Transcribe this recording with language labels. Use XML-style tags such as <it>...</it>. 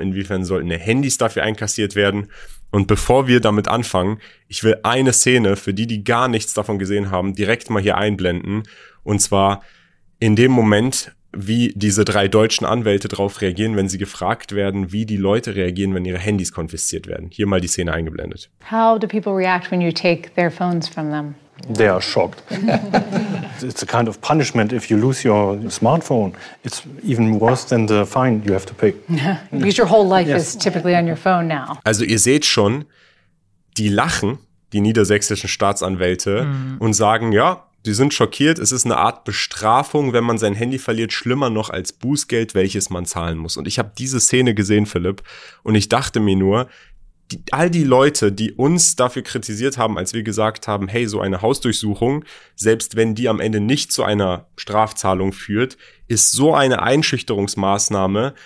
<de>Inwiefern sollten Handys dafür einkassiert werden? Und bevor wir damit anfangen, ich will eine Szene für die, die gar nichts davon gesehen haben, direkt mal hier einblenden. Und zwar in dem Moment, wie diese 3 deutschen Anwälte darauf reagieren, wenn sie gefragt werden, wie die Leute reagieren, wenn ihre Handys konfisziert werden. Hier mal die Szene eingeblendet.</de> <en>How do people react when you take their phones from them? They are shocked. It's a kind of punishment if you lose your smartphone. It's even worse than the fine you have to pay. Because your whole life is typically on your phone now.</en> <de>Also ihr seht schon, die lachen, die niedersächsischen Staatsanwälte, und sagen, ja, die sind schockiert. Es ist eine Art Bestrafung, wenn man sein Handy verliert. Schlimmer noch als Bußgeld, welches man zahlen muss. Und ich habe diese Szene gesehen, Philipp. Und ich dachte mir nur, all die Leute, die uns dafür kritisiert haben, als wir gesagt haben, hey, so eine Hausdurchsuchung, selbst wenn die am Ende nicht zu einer Strafzahlung führt, ist so eine Einschüchterungsmaßnahme.</de>